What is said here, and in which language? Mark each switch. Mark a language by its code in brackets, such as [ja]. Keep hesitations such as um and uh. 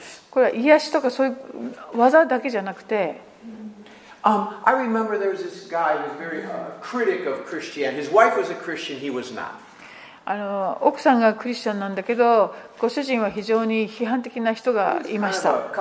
[ja] これは癒しとかそういう技だけじゃなくて。 [en] Um, I remember there was this guy who was very uh, critic of Christianity. His wife was a Christian, he was not. [ja] あの奥さんがクリスチャンなんだけど、ご主人は非常に批判的な人がいました。